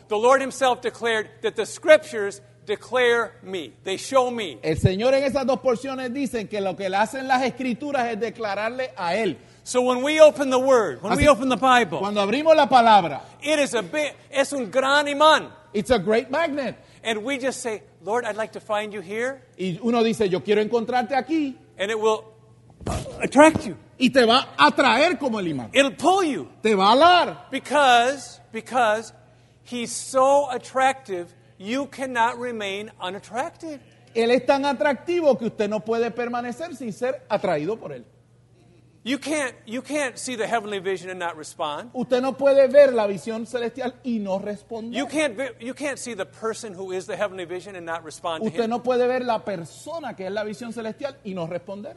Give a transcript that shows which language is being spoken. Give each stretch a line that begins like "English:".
English: The Lord himself declared that the scriptures declare me. They show me.
Spanish: El Señor en esas dos porciones dicen que lo que le hacen las escrituras es declararle a él.
English: So when we open the word, when we open the Bible,
Spanish: cuando abrimos la palabra,
English: it is a
Spanish: es un gran imán.
English: It's a great magnet. And we just say, Lord, I'd like to find you here.
Spanish: Y uno dice, yo quiero encontrarte aquí.
English: And it will attract you.
Spanish: Y te va a atraer como el imán.
English: It'll pull you.
Spanish: Te va a alar.
English: Because he's so attractive, you cannot remain unattractive.
Spanish: Él es tan atractivo que usted no puede permanecer sin ser atraído por él.
English: You can't see the heavenly vision and not respond.
Spanish: Usted no puede ver la visión celestial y no responder.
English: You can't see the person who is the heavenly vision and not respond.
Spanish: Usted
English: to
Spanish: no puede ver la persona que es la visión celestial y no responder.